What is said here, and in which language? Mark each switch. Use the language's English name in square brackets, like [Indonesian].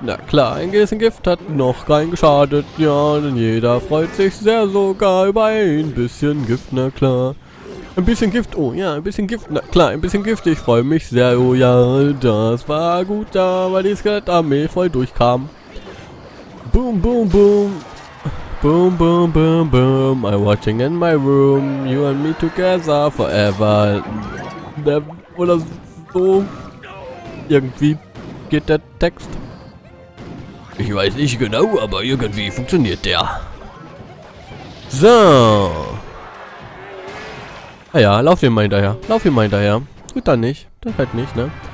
[German] Na klar, ein bisschen Gift hat noch keinen geschadet. Ja, denn jeder freut sich sehr sogar über ein bisschen Gift, na klar. Ein bisschen Gift, oh ja, ein bisschen Gift, na klar, ein bisschen Gift. Ich freue mich sehr, oh ja, das war gut da, weil die Skelettarmee voll durchkam. Boom, boom, boom. Boom, boom, boom, boom, [English] I'm watching in my room, you and me together forever. Never, [German] oder so. Irgendwie geht der Text. Ich weiß nicht genau, aber irgendwie funktioniert der. So. Na ja, lauf ihm mal hinterher, lauf ihm mal hinterher. Gut, dann nicht, dann halt nicht, ne?